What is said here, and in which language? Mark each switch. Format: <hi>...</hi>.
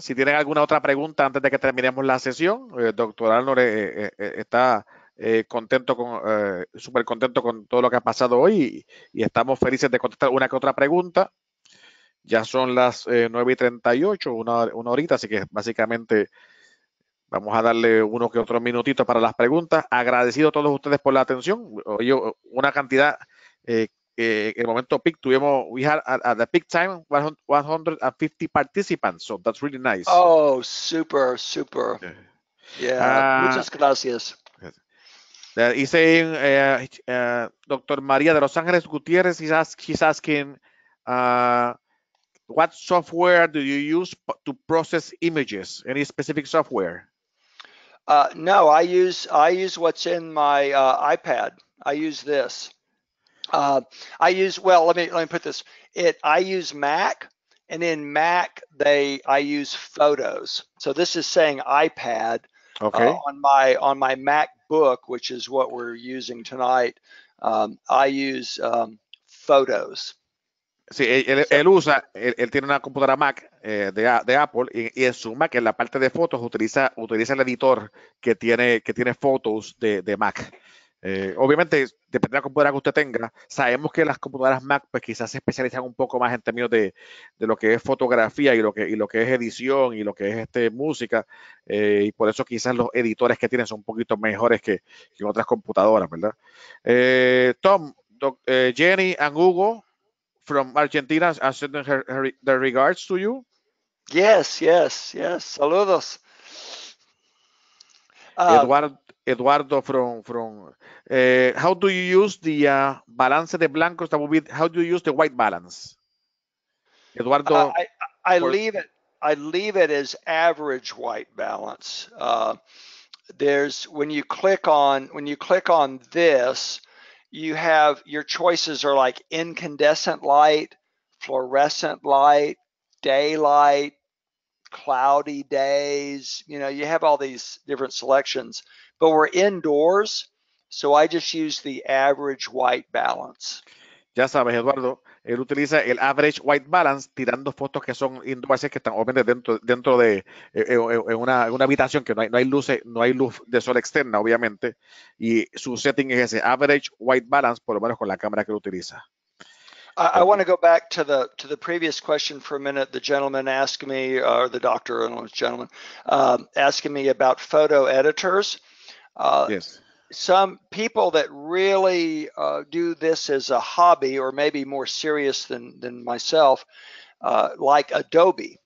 <es>Si tienen alguna otra pregunta antes de que terminemos la sesión, doctor Arnold está súper contento con todo lo que ha pasado hoy y estamos felices de contestar una que otra pregunta. Ya son las 9:38, una horita, así que básicamente vamos a darle uno que otro minutito para las preguntas. Agradecido a todos ustedes por la atención. Oye, una cantidad, en el momento peak tuvimos,</es> <en>we had at the peak time 150 participants, so that's really nice. Oh, super, super. Yeah,</en> <es>muchas gracias.</es> <en>Dr. María de Los Ángeles Gutiérrez, he's asking, what software do you use to process images? Any specific software? No, I use what's in my iPad. I use this. Let me put this. I use Mac, and in Mac, I use Photos. So this is saying iPad. Okay. On my MacBook, which is what we're using tonight, I use Photos.</en> <es>Sí, él tiene una computadora Mac de Apple y en su Mac, en la parte de fotos, utiliza el editor que tiene Photos de Mac. Obviamente, depende de la computadora que usted tenga, sabemos que las computadoras Mac pues quizás se especializan un poco más en términos de lo que es fotografía y lo que es edición y lo que es música, y por eso quizás los editores que tienen son un poquito mejores que otras computadoras, ¿verdad?</es> <en>Jenny and Hugo from Argentina are sending their regards to you. Yes, saludos. Eduardo from how do you use the</en> <es>balance de blancos?</es> <en>That would be, how do you use the white balance? Eduardo, I leave it as average white balance. There's when you click on this, you have your choices are like incandescent light, fluorescent light, daylight, cloudy days. You know, you have all these different selections, but we're indoors, so I just use the average white balance.</en> <es>Ya sabes, Eduardo, él utiliza el average white balance tirando fotos que son indoors, que están obviamente dentro de en una habitación que no hay luces, no hay luz de sol externa, obviamente, y su setting es ese average white balance, por lo menos con la cámara que él utiliza.</es> <en>I want to go back to the previous question for a minute. The gentleman asked me, or the doctor, no, gentleman, asking me about photo editors. Yes. Some people that really do this as a hobby, or maybe more serious than myself, like Adobe.</en>